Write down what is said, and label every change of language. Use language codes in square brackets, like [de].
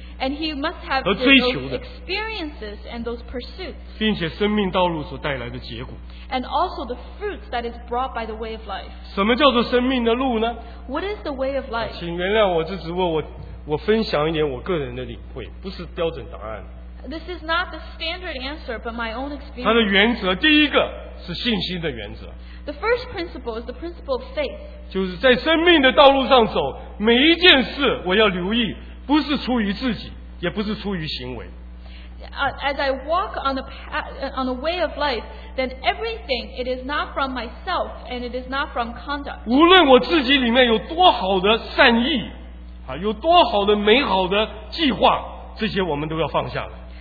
[en] And he must have the experiences and those pursuits. [zh] 并且生命道路所带来的结果。 [en] And also the fruits that is brought by the way of life. [zh] 什么叫做生命的路呢？ [en] What is the way of life? [zh] 请原谅我，这只不过我分享一点我个人的领会，不是标准答案。 [en] This is not the standard answer, but my own experience. [zh] 它的原则，第一个是信心的原则。 [en] The first principle is the principle of faith. [zh] 就是在生命的道路上走，每一件事我要留意，不是出于自己，也不是出于行为。 [en] As I walk on the path, on the way of life, then everything it is not from myself and it is not from conduct. [zh] 无论我自己里面有多好的善意，啊，有多好的美好的计划，这些我们都要放下来。